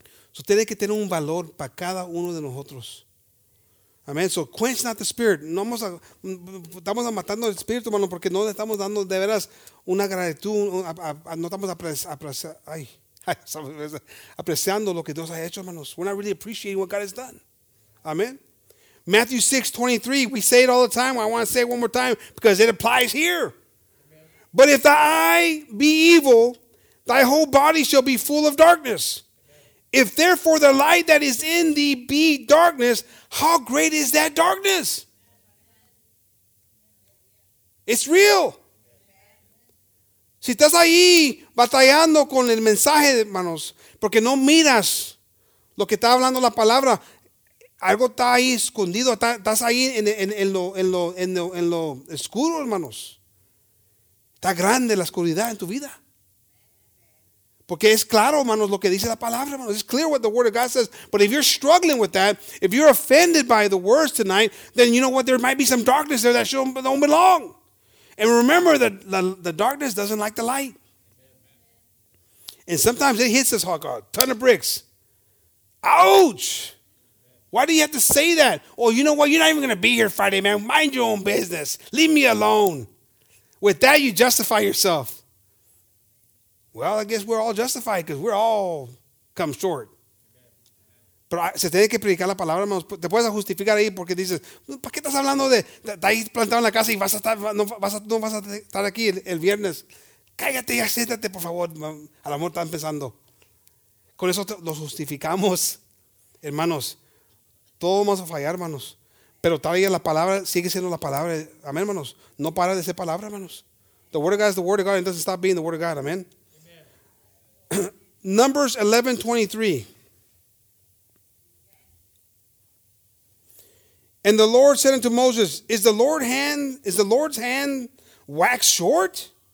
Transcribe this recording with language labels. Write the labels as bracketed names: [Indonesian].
[Spanish] So, tiene que tener un valor para cada uno de nosotros. Amén. [English] So, quench not the spirit. [Spanish] No vamos a, estamos matando el espíritu, hermano, porque no le estamos dando de veras una gratitud. No estamos apreciando lo que Dios ha hecho, hermanos. [English] We're not really appreciating what God has done. Amén. Matthew 6:23. We say it all the time. I want to say it one more time because it applies here. Amen. But if thy eye be evil, thy whole body shall be full of darkness. If therefore the light that is in thee be darkness, how great is that darkness? It's real. [Spanish] Si estás ahí batallando con el mensaje, hermanos, porque no miras lo que está hablando la palabra, Algo está ahí escondido, estás ahí en lo oscuro, hermanos. Está grande la oscuridad en tu vida. Porque es claro, hermanos, lo que dice la palabra, hermanos. [English] It's clear what the word of God says. But if you're struggling with that, if you're offended by the words tonight, then you know what? There might be some darkness there that don't belong. And remember that the darkness doesn't like the light. And sometimes it hits us hard, a ton of bricks. Ouch! Why do you have to say that? Oh, you know what? You're not even going to be here Friday, man. Mind your own business. Leave me alone. With that, you justify yourself. Well, I guess we're all justified because we're all come short. [Spanish] Pero se tiene que predicar la palabra, hermanos. Te puedes justificar ahí porque dices, ¿para qué estás hablando de ahí plantado en la casa y no vas a estar aquí el viernes? Cállate y siéntate, por favor. A lo mejor están pensando. Con eso lo justificamos, hermanos. Todos vamos a fallar, hermanos. Pero todavía la palabra sigue siendo la palabra. Amén, hermanos. No para de ser palabra, hermanos. [English] The word of God is the word of God. It doesn't stop being the word of God. Amén. Numbers 11:23. And the Lord said unto Moses, Is the Lord's hand waxed short?